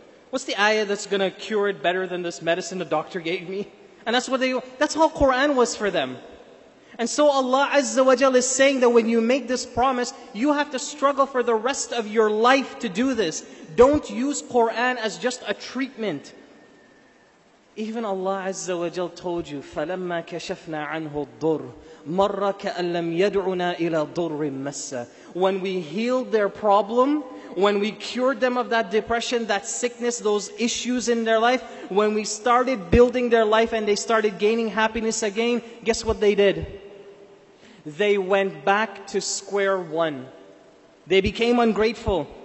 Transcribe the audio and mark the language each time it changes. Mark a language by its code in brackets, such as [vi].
[en] What's the ayah that's going to cure it better than this medicine the doctor gave me? And that's all Quran was for them. And so Allah Azza wa Jal is saying that when you make this promise, you have to struggle for the rest of your life to do this. Don't use Quran as just a treatment. Even Allah Azza wa Jal told you, [ar] فَلَمَّا كَشَفْنَا عَنْهُ الضُّرُّ مَرَّ كَأَن لَمْ يَدْعُنَا إِلَى ضُرٍ مَسَّ. [en] When we healed their problem, when we cured them of that depression, that sickness, those issues in their life, when we started building their life and they started gaining happiness again, guess what they did? They went back to square one. They became ungrateful.